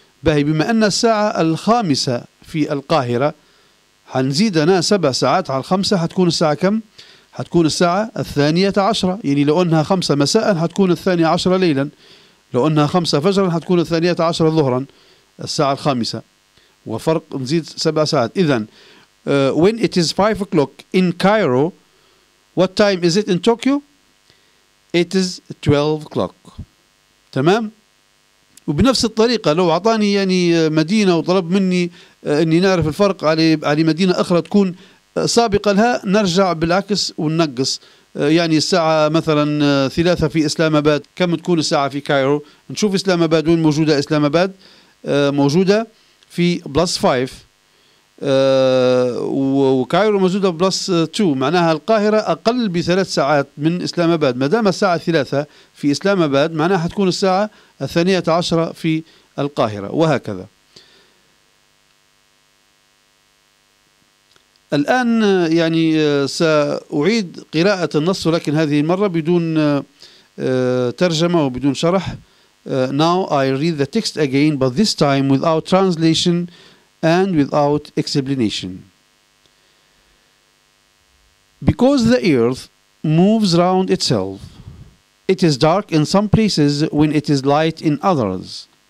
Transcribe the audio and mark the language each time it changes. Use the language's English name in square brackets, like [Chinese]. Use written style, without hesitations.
[Arabic] باهي بما أن الساعة الخامسة في القاهرة هنزيدنا سبع ساعات على الخمسة، هتكون الساعة كم؟ هتكون الساعة الثانية عشرة. يعني لو أنها خمسة مساء هتكون الثانية عشرة ليلا، لو أنها خمسة فجرا هتكون الثانية عشرة ظهرا الساعة الخامسة، وفرق نزيد سبع ساعات. [English] إذن when it is 5 o'clock in Cairo، what time is it in Tokyo؟ It is 12 o'clock. [Arabic] تمام؟ وبنفس الطريقة لو أعطاني يعني مدينة وطلب مني أني نعرف الفرق على مدينة أخرى تكون سابقة لها، نرجع بالعكس وننقص. يعني الساعة مثلا 3 في إسلام أباد، كم تكون الساعة في كايرو؟ نشوف إسلام أباد وين موجودة. إسلام أباد موجودة في بلس 5 وكايرو موجودة بلس 2، معناها القاهرة أقل بثلاث ساعات من إسلام أباد. مدام الساعة 3 في إسلام أباد معناها تكون الساعة 12 في القاهرة، وهكذا. الآن يعني سأعيد قراءة النص لكن هذه المرة بدون ترجمة وبدون شرح. [English] Now I read the text again but this time without translation and without explanation. Because the earth moves round itself. It is dark in some places when it is light in others.